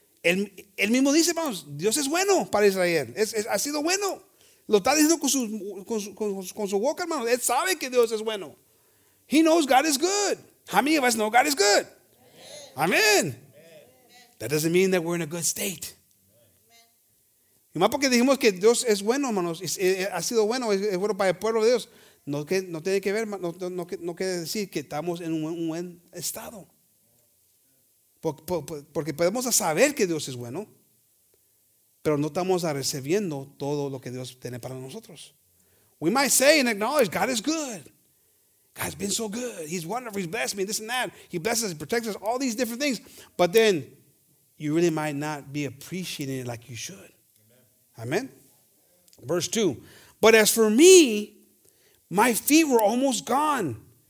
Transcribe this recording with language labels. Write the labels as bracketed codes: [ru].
[es] El mismo dice, vamos, Dios es bueno para Israel. Ha sido bueno. Lo está diciendo con su boca, hermano. Él sabe que Dios es bueno. [en] He knows God is good. How many of us know God is good? Amen. That doesn't mean that we're in a good state. [es] Y más porque dijimos que Dios es bueno, hermanos, ha sido bueno, es bueno para el pueblo de Dios. No tiene que ver, no quiere decir que estamos en un buen estado. Porque podemos saber que Dios es bueno, pero no estamos recibiendo todo lo que Dios tiene para nosotros. [en] We might say and acknowledge God is good. God's been so good. He's wonderful. He's blessed me, this and that. He blesses us, he protects us, all these different things. But then you really might not be appreciating it like you should. Amen. Verse 2. But as for me, my feet were almost gone.